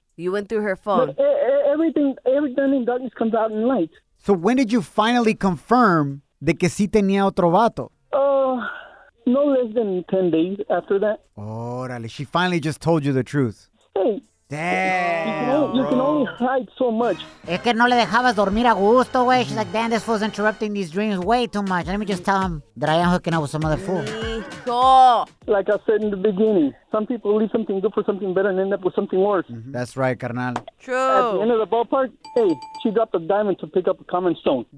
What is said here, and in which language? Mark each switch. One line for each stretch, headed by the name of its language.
English: You went through her phone. Everything in darkness comes out in light. So when did you finally confirm
Spanish: de que sí tenía otro vato?
English: No less than 10 days after that. Órale, she finally just told you the truth. Hey, Damn. You can only hide so much.
Spanish: Es que no le dejabas dormir a gusto, güey.
English: She's like, damn, this fool's interrupting these dreams way too much. Let me just tell him that I am hooking up with some other fool.
Spanish: Hijo.
English: Like I said in the beginning, some people leave something good for something better and end up with something worse. Mm-hmm. That's right, carnal. True. At the end of the ballpark, hey, she dropped a diamond to pick up a common stone.